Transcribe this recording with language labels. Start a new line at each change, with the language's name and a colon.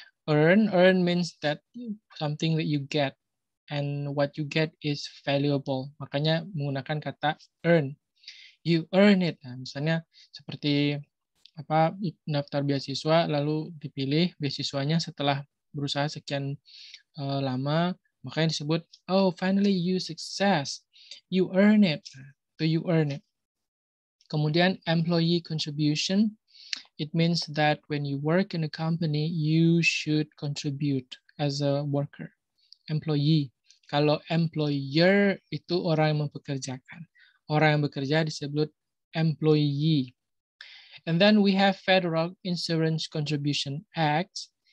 English: Earn means that something that you get and what you get is valuable,
Indonesian: makanya menggunakan kata earn.
English: You earn it.
Indonesian: Nah, misalnya seperti apa, daftar beasiswa lalu dipilih beasiswanya setelah berusaha sekian lama, makanya disebut
English: oh finally you success. You earn it. So you earn it. Kemudian employee contribution. It means that when you work in a company, you should contribute as a worker.
Indonesian: Employee. Kalau employer itu orang yang mempekerjakan. Orang yang bekerja disebut employee.
English: And then we have Federal Insurance Contribution Act.